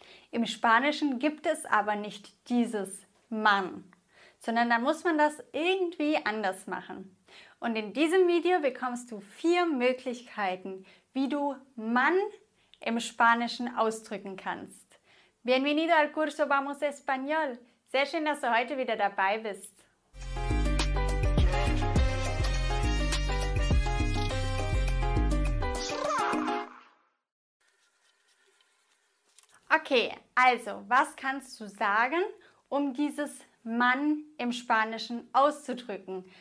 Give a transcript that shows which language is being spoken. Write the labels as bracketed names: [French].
[German] Im Spanischen gibt es aber nicht dieses man, sondern dann muss man das irgendwie anders machen. Und in diesem Video bekommst du 4 Möglichkeiten, wie du man im Spanischen ausdrücken kannst. [Spanish] Bienvenido al curso Vamos Español. [German] Sehr schön, dass du heute wieder dabei bist. Okay, also, was kannst du sagen, um dieses man im Spanischen auszudrücken?